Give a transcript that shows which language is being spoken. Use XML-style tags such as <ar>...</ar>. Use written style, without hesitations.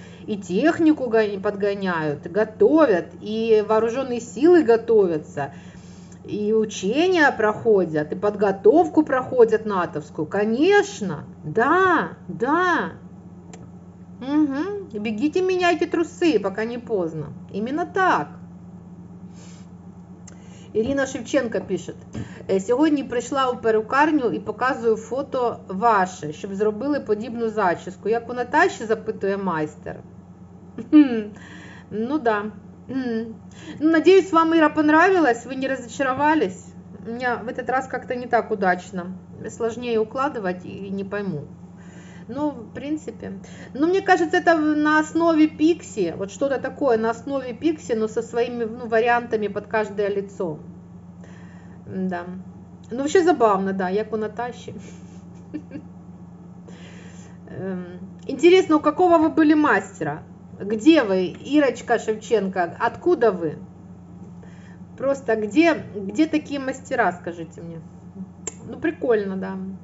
<ru>И технику подгоняют, готовят, и вооруженные силы готовятся, и учения проходят, и подготовку проходят натовскую. Конечно, да. Бегите, меняйте трусы, пока не поздно. Именно так.</ru> <uk>Ірина Шевченка пише: сьогодні прийшла у перукарню і показую фото ваше, щоб зробили подібну зачіску. Як у Наташі? Запитує майстер. Ну да. Надіюсь, вам Іра понравилась, ви не розчарувались. У мене в цей раз якось не так удачно. Сложніше укладувати і не пойму. Ну, в принципі. Ну, мені кажеться, це на основі піксі. От щось таке на основі піксі, але зі своїми, ну, варіантами під кожне лице. Да.</uk> <ru>Ну, вообще забавно, да,</ru> <uk>як у Наташі.</uk> <ru>Интересно, у какого вы были мастера? Где вы, Ирочка Шевченко? Откуда вы? Просто где такие мастера, скажите мне? Ну, прикольно, да.</ru>